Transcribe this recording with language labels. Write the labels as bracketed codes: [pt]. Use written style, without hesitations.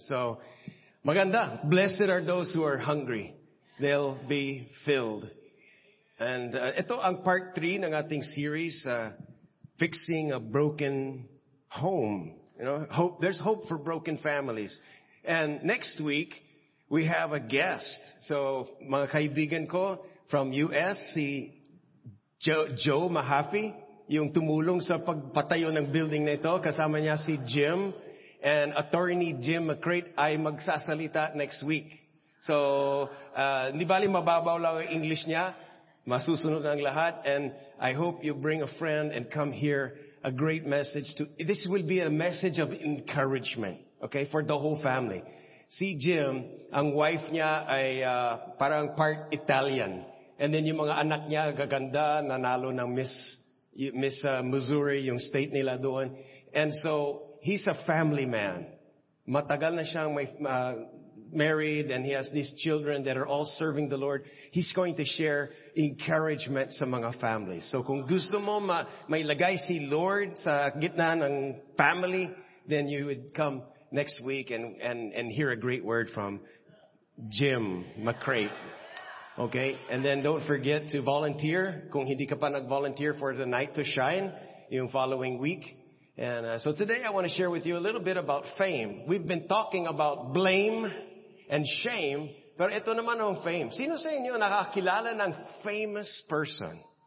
[tl] So, maganda. [en] Blessed are those who are hungry. They'll be filled. [tl] And ito ang part 3 ng ating series, Fixing a Broken Home. [en] You know, hope, there's hope for broken families. And next week, we have a guest. [tl] So, mga kaibigan ko from US, si Joe Mahaffey, yung tumulong sa pagpatayo ng building na ito. Kasama niya si Jim and attorney Jim McCrate ay magsasalita next week. So, nibali mababaw lang ang English niya. Masusunod ang lahat, [en] and I hope you bring a friend and come hear a great message. This will be a message of encouragement, okay, for the whole family. [tl] See, Jim, ang wife niya ay parang part Italian, and then yung mga anak niya gaganda, nanalo ng Miss Missouri, yung state nila doon. [en] And so, he's a family man. [tl] Matagal na siyang married, [en] and he has these children that are all serving the Lord. He's going to share encouragement [tl] sa mga families. So kung gusto mo mailagay si Lord sa gitna ng family, [en] then you would come next week and hear a great word from Jim McCrate. Okay? And then don't forget to volunteer. [tl] Kung hindi ka pa nag-volunteer [en] for the night to shine yung following week. And so today I want to share with you a little bit about fame. We've been talking about blame and shame, [tl] pero ito naman ang [en] fame. [tl] Sino sa inyo nakakilala ng famous person?